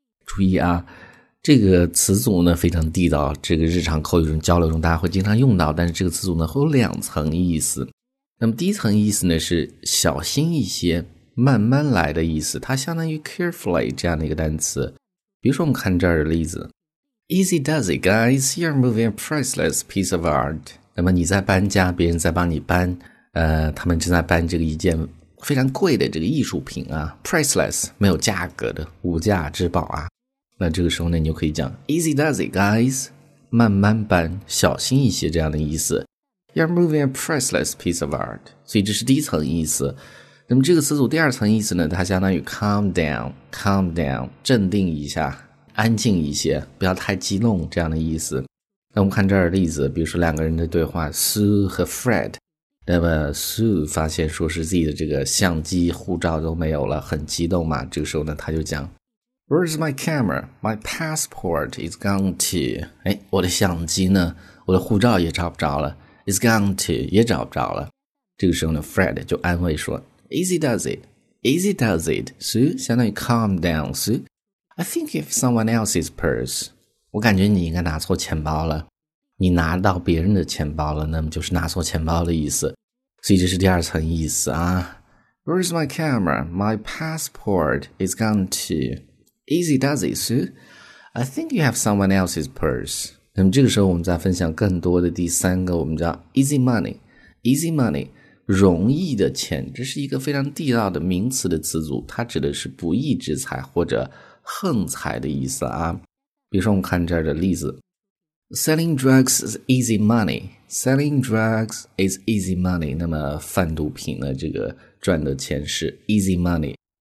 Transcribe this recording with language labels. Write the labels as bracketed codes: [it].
[zh] 注意啊，这个词组呢非常地道，这个日常口语中交流中大家会经常用到，但是这个词组呢会有两层意思。那么第一层意思呢是小心一些。慢慢来的意思，它相当于 carefully 这样的一个单词。比如说我们看这儿的例子 ， [en] Easy does it, guys. You're moving a priceless piece of art. [zh] 那么你在搬家，别人在帮你搬，他们正在搬这个一件非常贵的这个艺术品啊 ，priceless 没有价格的无价之宝啊。那这个时候呢，你就可以讲 [en] Easy does it, guys. [zh] 慢慢搬，小心一些这样的意思。 [en] You're moving a priceless piece of art. [zh] 所以这是第一层意思。那么这个词组第二层意思呢，它相当于 [en] calm down, [zh] 镇定一下，安静一些，不要太激动这样的意思。那我们看这儿的例子，比如说两个人的对话 ,Sue 和 Fred, 那么 Sue 发现说是自己的这个相机护照都没有了，很激动嘛，这个时候呢他就讲 , [en] Where's my camera? My passport is gone too. [zh] 哎，我的相机呢，我的护照也找不着了 , [en] is gone too, [zh] 也找不着了。这个时候呢 ,Fred 就安慰说 [en] Easy does it, Sue, [zh] 相当于 [en] calm down, Sue. I think you have someone else's purse. [zh] 我感觉你应该拿错钱包了。你拿到别人的钱包了，那么就是拿错钱包的意思。所以这是第二层意思啊。 [en] Where's my camera? My passport is gone too. Easy does it, Sue. I think you have someone else's purse. [zh] 那么这个时候我们再分享更多的第三个，我们叫 easy money. 容易的钱，这是一个非常地道的名词的词组，它指的是不义之财或者横财的意思啊。比如说我们看这儿的例子 [en] Selling drugs is easy money. Selling drugs is easy money. [zh] 那么贩毒品呢，这个赚的钱是 easy money.